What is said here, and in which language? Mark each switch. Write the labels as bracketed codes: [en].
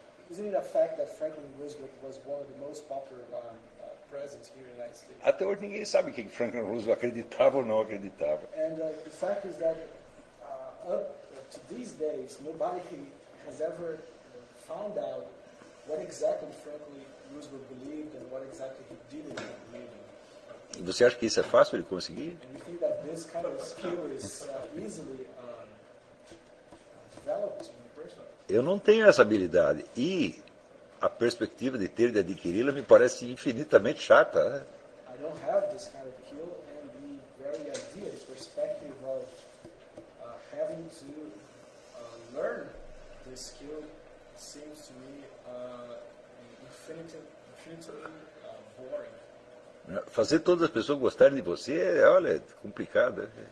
[en] Isn't it a fact that Franklin Roosevelt was one of the most popular presidents here in the United States? [pt] Até hoje ninguém sabe quem Franklin Roosevelt acreditava ou não acreditava. [en] And the fact is that up to these days, nobody has ever found out what exactly Franklin Roosevelt believed and what exactly he didn't believe. [pt] E você acha que isso é fácil de conseguir? [en] And you think that this kind of skill is easily developed? [pt] Eu não tenho essa habilidade e a perspectiva de ter de adquiri-la me parece infinitamente chata. [en] I don't have this kind of skill and the very idea, the perspective of having to learn this skill seems to me infinitely boring. [pt] Fazer todas as pessoas gostarem de você é, olha, complicado.